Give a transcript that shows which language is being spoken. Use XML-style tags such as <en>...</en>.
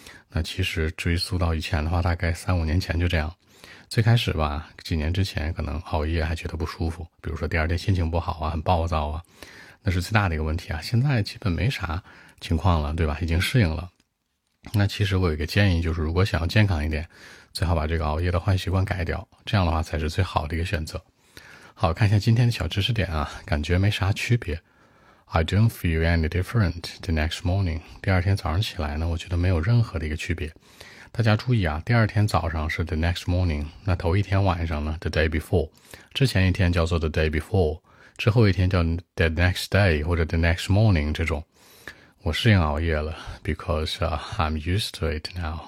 <zh>那其实追溯到以前的话，大概三五年前就这样，最开始吧，几年之前可能熬夜还觉得不舒服，比如说第二天心情不好啊，很暴躁啊，那是最大的一个问题啊。现在基本没啥情况了，对吧？已经适应了。那其实我有一个建议，就是如果想要健康一点，最好把这个熬夜的坏习惯改掉，这样的话才是最好的一个选择。好，看一下今天的小知识点啊，感觉没啥区别。</zh> <en>I don't feel any different the next morning.</en> <zh>第二天早上起来呢，我觉得没有任何的一个区别。大家注意啊，第二天早上是</zh> <en>the next morning，</en> <zh>那头一天晚上呢</zh> <en>the day before，</en> <zh>之前一天叫做 the day before， 之后一天叫</zh> <en>the next day</en> <zh>或者</zh> <en>the next morning</en> <zh>这种。我适应熬夜了</zh> <en>because I'm used to it now.</en>